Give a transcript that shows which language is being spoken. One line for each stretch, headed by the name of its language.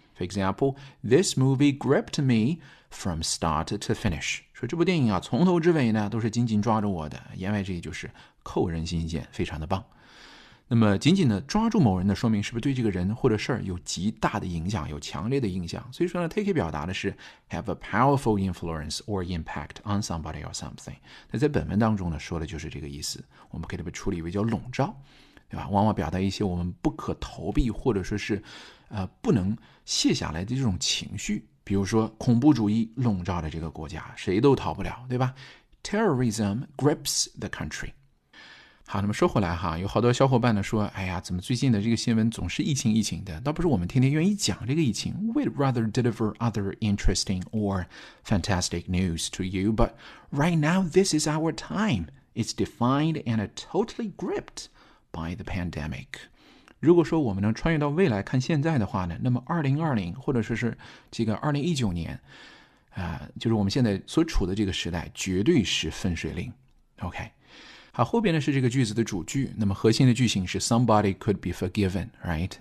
English: For example, this movie gripped me from start to finish。
Chinese: 说这部电影啊，从头至尾呢都是紧紧抓住我的。言外之意就是扣人心弦，非常的棒。那么紧紧的抓住某人呢，说明是不是对这个人或者事儿有极大的影响，有强烈的影响。所以说呢，它可以表达的是
English: have a powerful influence or impact on somebody or something。
Chinese: 那在本文当中呢，说的就是这个意思。我们可以把它处理为叫笼罩，对吧？往往表达一些我们不可逃避或者说是不能卸下来的这种情绪。比如说恐怖主义笼罩了这个国家，谁都逃不了，对吧 ？
English: Terrorism grips the country。
Chinese: 好，那么说回来哈，有好多小伙伴呢说，哎呀，怎么最近的这个新闻总是疫情疫情的，倒不是我们天天愿意讲这个疫情。
English: We'd rather deliver other interesting or fantastic news to you, but right now this is our time. It's defined and totally gripped by the pandemic.
Chinese: 如果说我们能穿越到未来看现在的话呢，那么2020或者说是这个2019年就是我们现在所处的这个时代绝对是分水岭。 OK，好，后边呢是这个句子的主句，那么核心的句型是
English: somebody could be forgiven, right?